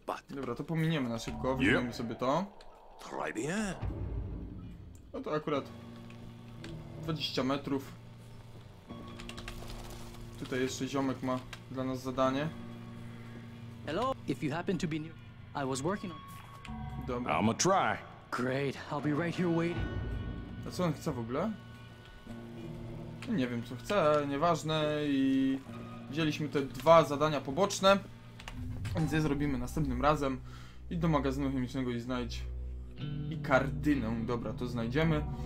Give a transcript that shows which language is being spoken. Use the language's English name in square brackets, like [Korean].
[Polish] Dobra, to pominiemy na szybko, weźmiemy sobie to. No to akurat 20 metrów. Tutaj jeszcze ziomek ma dla nas zadanie. [English] Hello, if you happen to be new, I was working on. [Polish] Dobra. [English] I'ma try. Great, I'll be right here waiting. [Polish] A co on chce w ogóle? Nie wiem co chce, nieważne. I wzięliśmy te dwa zadania poboczne, więc je zrobimy następnym razem. I do magazynu chemicznego i znajdź i kardynę. Dobra, to znajdziemy.